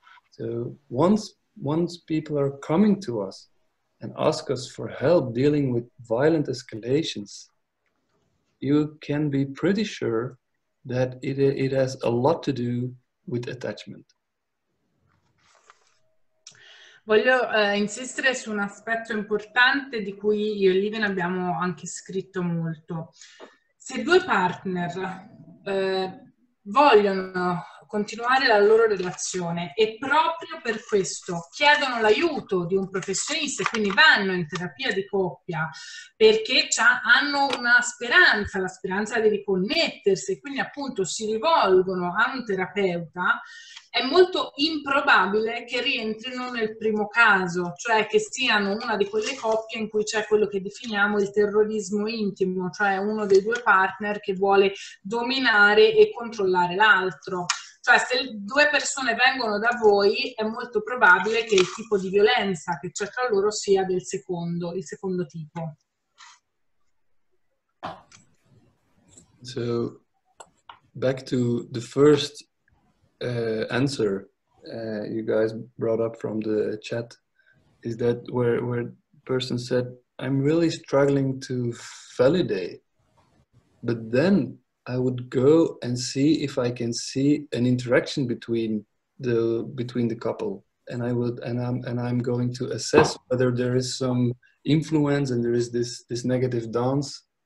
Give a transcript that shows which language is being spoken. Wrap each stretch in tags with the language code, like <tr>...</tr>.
<en>So once people are coming to us and ask us for help dealing with violent escalations, you can be pretty sure that it has a lot to do with attachment.</en> <it>Voglio insistere su un aspetto importante di cui io e Liven abbiamo anche scritto molto. Se due partner vogliono continuare la loro relazione e proprio per questo chiedono l'aiuto di un professionista e quindi vanno in terapia di coppia perché hanno una speranza, la speranza di riconnettersi, quindi appunto si rivolgono a un terapeuta, è molto improbabile che rientrino nel primo caso, cioè che siano una di quelle coppie in cui c'è quello che definiamo il terrorismo intimo, cioè uno dei due partner che vuole dominare e controllare l'altro. Cioè, se due persone vengono da voi, è molto probabile che il tipo di violenza che c'è tra loro sia del secondo, il secondo tipo.</it> <en>So, back to the first answer you guys brought up from the chat, is that where the person said, I'm really struggling to validate, but then I would go and see if I can see an interaction between the couple, and I would and I'm going to assess whether there is some influence and there is this negative dance.</en>